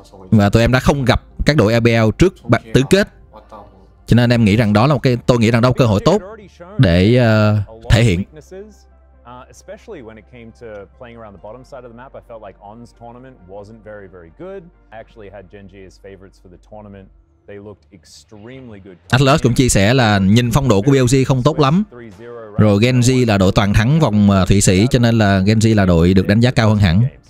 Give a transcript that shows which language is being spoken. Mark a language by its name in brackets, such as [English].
[Vietnamese] Và tụi em đã không gặp các đội LPL trước tứ kết. Cho nên em nghĩ rằng đó là một cái, tôi nghĩ rằng đó là một cơ hội tốt để thể hiện. [English] Especially when it came to playing around the bottom side of the map, I felt like ONS tournament wasn't very, very good. I actually had Gen.G as favorites for the tournament. They looked extremely good. [Vietnamese] Atlas cũng chia sẻ là nhìn phong độ của BLG không tốt lắm. Rồi Gen.G là đội toàn thắng vòng Thụy Sĩ, cho nên là Gen.G là đội được đánh giá cao hơn hẳn.